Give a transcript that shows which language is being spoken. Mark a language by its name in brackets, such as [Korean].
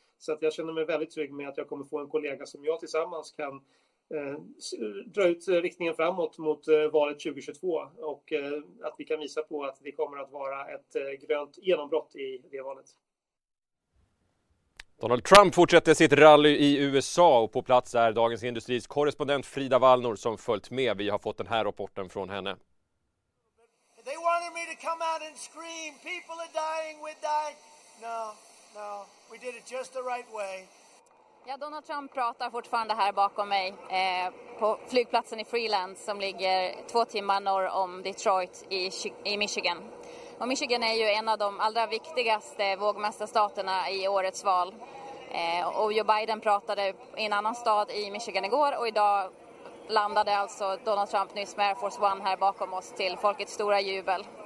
[Swedish] Så att jag känner mig väldigt trygg med att jag kommer få en kollega som jag tillsammans kan dra ut riktningen framåt mot valet 2022 och att vi kan visa på att det kommer att vara ett grönt genombrott i det valet. Donald Trump fortsätter sitt rally i USA och på plats är Dagens Industris korrespondent Frida Wallnor som följt med. Vi har fått den här rapporten från henne. [English] They wanted me to come out and scream, people are dying, we're dying. No, we did it just the right way. [Swedish] Ja, Donald Trump pratar fortfarande här bakom mig på flygplatsen i Freeland som ligger 2 timmar norr om Detroit i Michigan. Och Michigan är ju en av de allra viktigaste vågmästarstaterna i årets val. Och Joe Biden pratade i en annan stad i Michigan igår och idag landade alltså Donald Trump nyss med Air Force One här bakom oss till folkets stora jubel.